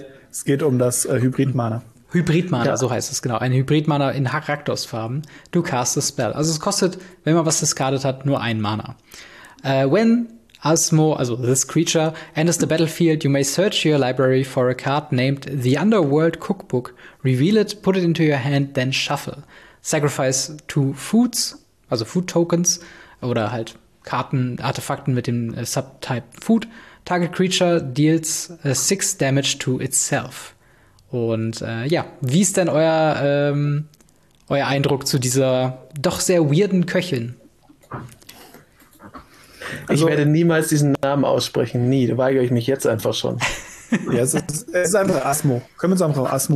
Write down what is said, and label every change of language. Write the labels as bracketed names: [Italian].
[German] es geht um das Hybrid-Mana. Hybrid-Mana, ja. So heißt es, genau. Ein Hybrid-Mana in Rakdos-Farben. Du cast a spell. Also es kostet, wenn man was discarded hat, nur ein Mana. [English] When Asmo, [German] also [English] this creature, enters the battlefield, you may search your library for a card named the Underworld Cookbook. Reveal it, put it into your hand, then shuffle. Sacrifice two foods, [German] also [English] food tokens, [German] oder halt Karten, Artefakten mit dem Subtype Food. [English] Target creature deals 6 damage to itself. [German] Und ja, wie ist denn euer Eindruck zu dieser doch sehr weirden Köchin? Ich also, werde niemals diesen Namen aussprechen. Nie, da weigere ich mich jetzt einfach schon. Ja, es ist einfach Asmo. Können wir uns einfach auf Asmo.